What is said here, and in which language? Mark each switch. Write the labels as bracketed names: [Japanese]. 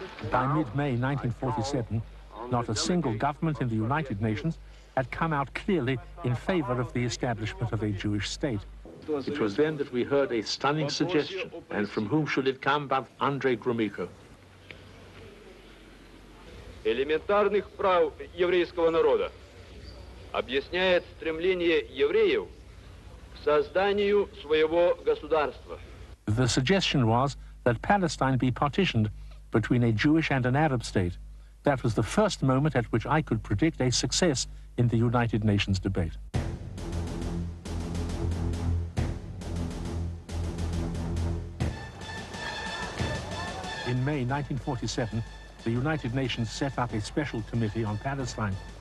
[English] By mid-May 1947, not a single government in the United Nations had come out clearly in favor of the establishment of a Jewish state. It was then that we heard a stunning suggestion, and from whom should it come but Andrei Gromyko. [Russian] Элементарных прав еврейского народа объясняет стремление евреев к созданию своего государства. [English] The suggestion was that Palestine be partitioned between a Jewish and an Arab state. That was the first moment at which I could predict a success in the United Nations debate. In May 1947, the United Nations set up a special committee on Palestine.